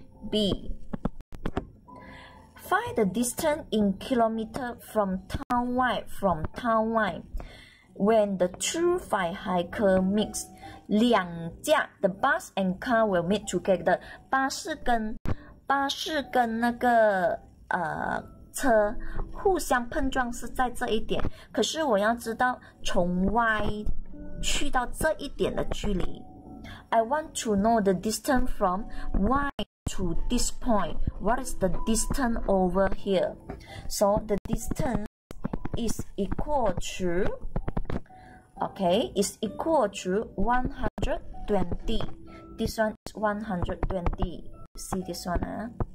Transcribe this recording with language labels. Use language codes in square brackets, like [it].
[en] B. Find the distance in kilometer from town Y. From town Y, when the two hitchhiker meets, [zh] 两架 [en] the bus and car will meet together. [zh] 巴士跟那个车互相碰撞是在这一点，可是我要知道从 Y 去到这一点的距离。 [en] I want to know the distance from Y to this point. What is the distance over here? So the distance is equal to Okay, it's equal to 120. This one is 120. See this one, huh?